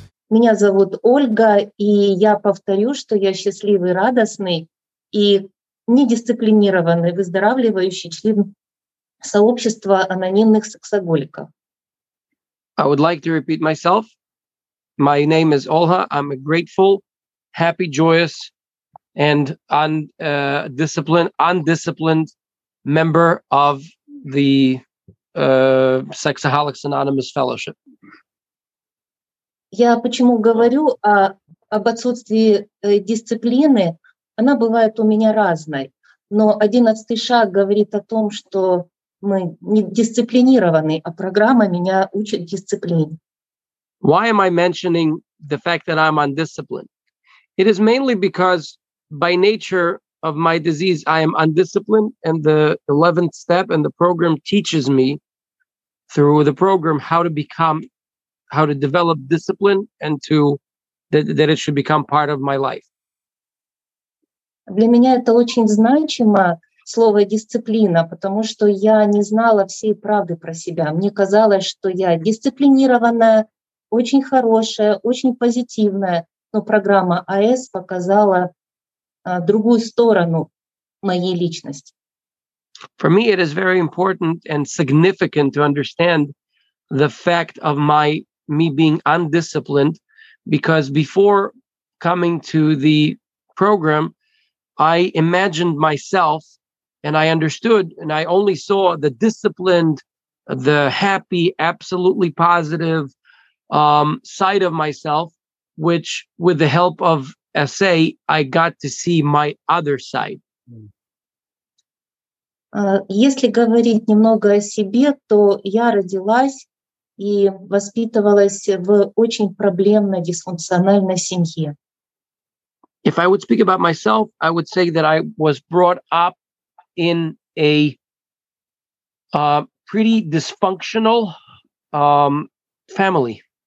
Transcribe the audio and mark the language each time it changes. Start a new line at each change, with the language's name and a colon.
Russian: Меня зовут Ольга, и я повторю, что я счастливый, радостный и недисциплинированный, выздоравливающий член сообщества анонимных сексоголиков.
English: I would like to repeat myself. My name is Olha. I'm a grateful, happy, joyous, and undisciplined member of the Sexaholics Anonymous Fellowship.
Russian: Я почему говорю об отсутствии дисциплины? Она бывает у меня разной. Но 11-й шаг говорит о том, что мы не дисциплинированы, а программа меня учит дисциплине.
English: Why am I mentioning the fact that I'm undisciplined? It is mainly because by nature of my disease, I am undisciplined, and the 11th step and the program teaches me through the program how to become, how to develop discipline and to that it should become part of my life.
Russian: Для меня это очень значимо, слово дисциплина, потому что я не знала всей правды про себя. Мне казалось, что я дисциплинированная, очень хорошая, очень позитивная, но программа АС показала другую сторону моей личности.
English: For me, it is very important and significant to understand the fact of me being undisciplined, because before coming to the program, I imagined myself and I understood and I only saw the disciplined, the happy, absolutely positive side of myself, which with the help of SA, I got to see my other side.
Russian: Если говорить немного о себе, то я родилась и воспитывалась в очень проблемной дисфункциональной семье.
English: If I would speak about myself, I would say that I was brought up in a pretty dysfunctional family.